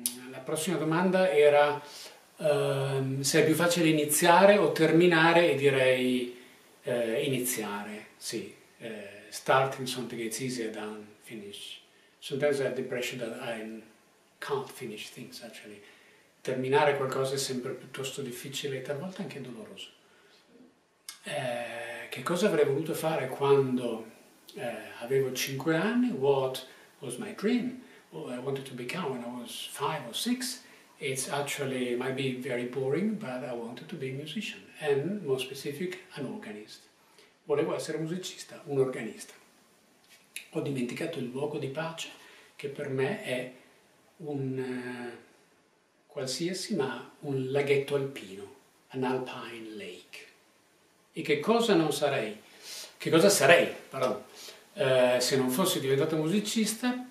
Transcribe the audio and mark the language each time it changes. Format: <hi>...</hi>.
<it>La prossima domanda era se è più facile iniziare o terminare, e direi iniziare, sì.</it> <en>Starting something gets easier than finish. Sometimes I have the impression that I can't finish things actually.</en> <it>Terminare qualcosa è sempre piuttosto difficile e talvolta anche doloroso. Che cosa avrei voluto fare quando avevo 5 anni?</it> <en>What was my dream? What I wanted to become when I was 5 or 6? It's actually, it might be very boring, but I wanted to be a musician and, more specific, an organist.</en> <it>Volevo essere musicista, un organista. Ho dimenticato il luogo di pace che per me è un qualsiasi, ma un laghetto alpino,</it> <en>an alpine lake.</en> <it>E che cosa non sarei? Che cosa sarei, pardon, se non fossi diventato musicista?</it>